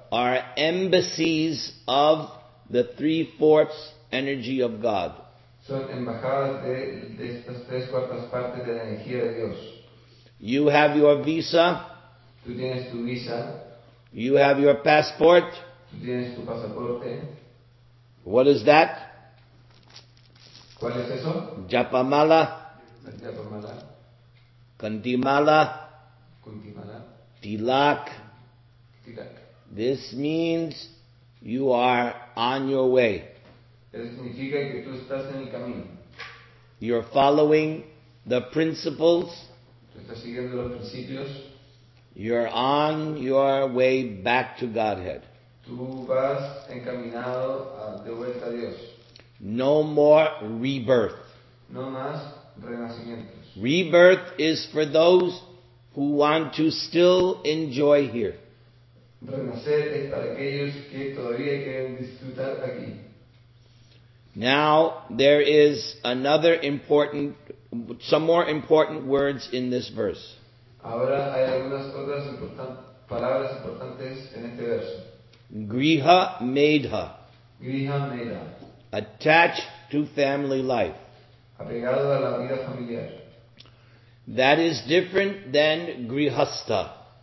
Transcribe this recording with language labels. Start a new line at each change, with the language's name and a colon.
English: are embassies of the three-fourths energy of God.
Spanish: Son embajadas de estas tres cuartas partes de la energía de Dios.
English: You have your visa.
Spanish: Tú tienes tu visa.
English: You have your passport.
Spanish: Tú tienes tu pasaporte.
English: What is that?
Spanish: ¿Cuál es eso?
Sanskrit: Japamala. Japamala. Kantimala, Kuntimala, Tilak. Tilak.
English: This means you are on your way.
Spanish: Eso significa que tú estás en el camino.
English: You're following the principles.
Spanish: Tú estás siguiendo los principios.
English: You're on your way back to Godhead.
Spanish: Tú vas encaminado de vuelta a Dios.
English: No more rebirth.
Spanish: No más renacimiento.
English: Rebirth is for those who want to still enjoy here.
Spanish: Renacer es para aquellos que todavía quieren disfrutar aquí.
English: Now there is another important, some more important words in this verse.
Spanish: Ahora hay algunas otras palabras importantes en este verso.
Sanskrit: Griha medha. Griha medha.
English: Attached to family life.
Spanish: Apegado a la vida familiar.
English: That is different than grihastha.